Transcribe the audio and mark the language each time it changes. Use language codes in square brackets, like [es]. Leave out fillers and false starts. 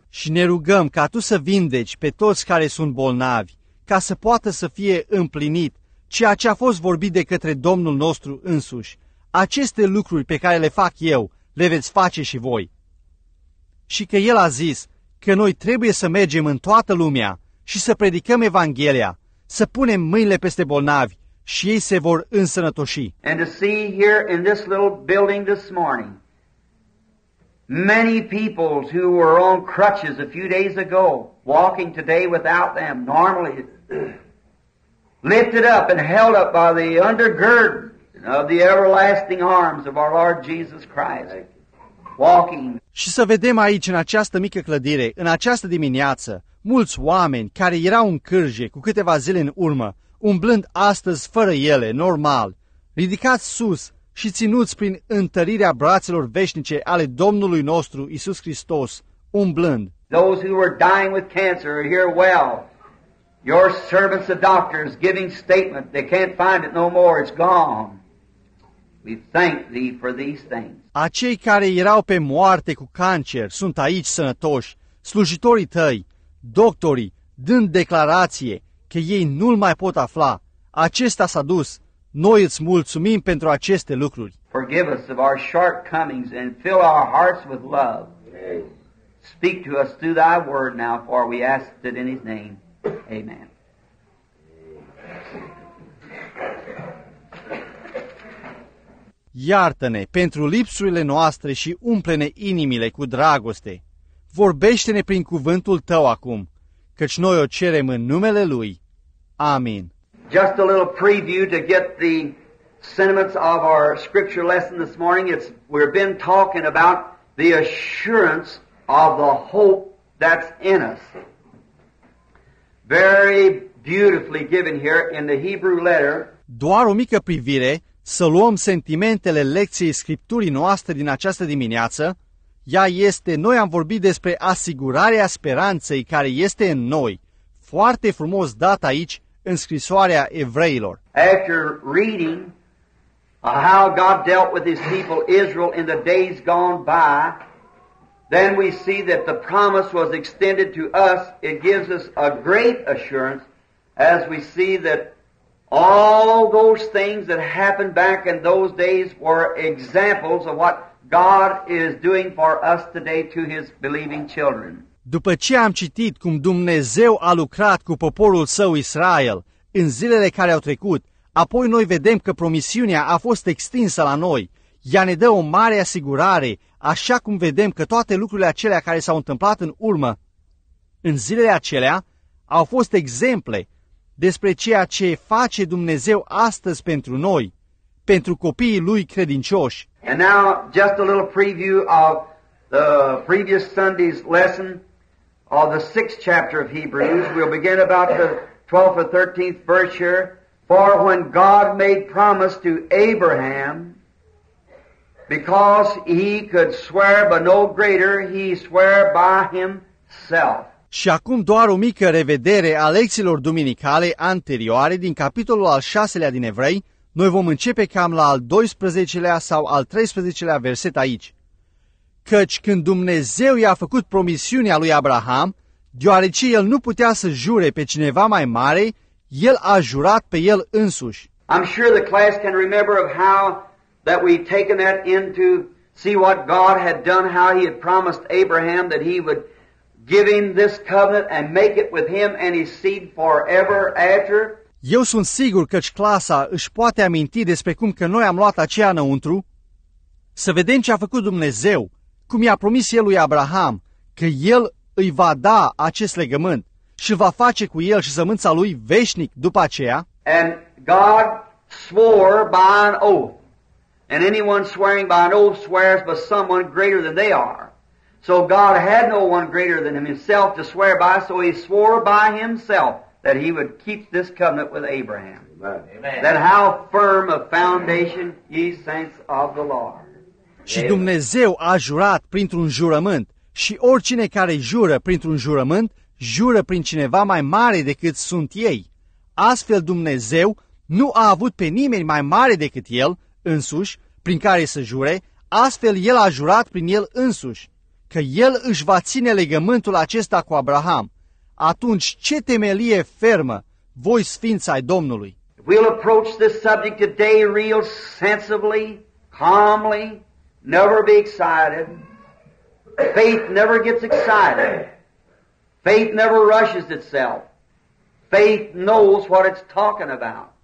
[ro] Și ne rugăm ca tu să vindeci pe toți care sunt bolnavi, ca să poată să fie împlinit ceea ce a fost vorbit de către Domnul nostru însuși. Aceste lucruri pe care le fac eu, le veți face și voi. Și că el a zis că noi trebuie să mergem în toată lumea și să predicăm Evanghelia, să punem mâinile peste bolnavi și ei se vor însănătoși. [en] And to see here in this little building this morning, many people who were on crutches a few days ago, walking today without them, normally lifted up and held up by the undergird of the everlasting arms of our Lord Jesus Christ, walking. [ro] Și să vedem aici, în această mică clădire, în această dimineață, mulți oameni care erau în cârje cu câteva zile în urmă, umblând astăzi fără ele, normal, ridicați sus și ținuți prin întărirea brațelor veșnice ale Domnului nostru Iisus Hristos, umblând. [en] Those who are dying with cancer are here well. Your servants, the doctors, giving statement, they can't find it no more, it's gone. We thank thee for these things. [ro] Acei care erau pe moarte cu cancer sunt aici sănătoși, slujitorii tăi, doctorii, dând declarație că ei nu-l mai pot afla. Acesta s-a dus. Noi îți mulțumim pentru aceste lucruri. [en] Forgive us of our shortcomings and fill our hearts with love. Speak to us through thy word now, for we ask it in his name. Amen. [ro] Iartă-ne pentru lipsurile noastre și umple-ne inimile cu dragoste. Vorbește-ne prin cuvântul tău acum, căci noi o cerem în numele lui. Amin. [en] Just a little preview to get the sentiments of our scripture lesson this morning. We've been talking about the assurance of the hope that's in us. Very beautifully given here in the Hebrew letter. [ro] Doar o mică privire. Să luăm sentimentele lecției Scripturii noastre din această dimineață. Ea este, noi am vorbit despre asigurarea speranței care este în noi, foarte frumos dat aici în scrisoarea evreilor. [en] After reading how God dealt with his people Israel in the days gone by, then we see that the promise was extended to us. It gives us a great assurance as we see that all those things that happened back in those days were examples of what God is doing for us today to his believing children. [ro] După ce am citit cum Dumnezeu a lucrat cu poporul său Israel în zilele care au trecut, apoi noi vedem că promisiunea a fost extinsă la noi. Ea ne dă o mare asigurare, așa cum vedem că toate lucrurile acelea care s-au întâmplat în urmă, în zilele acelea, au fost exemple despre ceea ce face Dumnezeu astăzi pentru noi, pentru copiii lui credincioși. [en] And now just a little preview of the previous Sunday's lesson of the 6th chapter of Hebrews. We'll begin about the 12th or 13th verse here. For when God made promise to Abraham, because he could swear by no greater, he swore by himself. [ro] Și acum doar o mică revedere a lecțiilor duminicale anterioare din capitolul al 6-lea din Evrei, noi vom începe cam la al 12-lea sau al 13-lea verset aici. Căci când Dumnezeu i-a făcut promisiunea lui Abraham, deoarece el nu putea să jure pe cineva mai mare, el a jurat pe el însuși. [en] I'm sure the class can remember of how that we taken that into see what God had done, how he had promised Abraham that he would give him this covenant and make it with him and his seed forever after. [ro] Eu sunt sigur că clasa își poate aminti despre cum că noi am luat aceea înăuntru. Să vedem ce a făcut Dumnezeu, cum i-a promis el lui Abraham că el îi va da acest legământ și va face cu el și sămânța lui veșnic după aceea. [en] And God swore by an oath. And anyone swearing by an oath swears by someone greater than they are. So God had no one greater than himself to swear by, so he swore by himself that he would keep this covenant with Abraham. Amen. That how firm a foundation ye saints of the Lord. [ro] Și Dumnezeu a jurat printr-un jurământ, și oricine care jură printr-un jurământ, jură prin cineva mai mare decât sunt ei. Astfel Dumnezeu nu a avut pe nimeni mai mare decât el însuși, prin care să jure, astfel el a jurat prin el însuși, că el își va ține legământul acesta cu Abraham. Atunci ce temelie fermă, voi sfinți ai Domnului! [en] We'll approach this subject today real sensibly, calmly, never be excited. Faith never gets excited. Faith never rushes itself. Faith knows what it's talking about.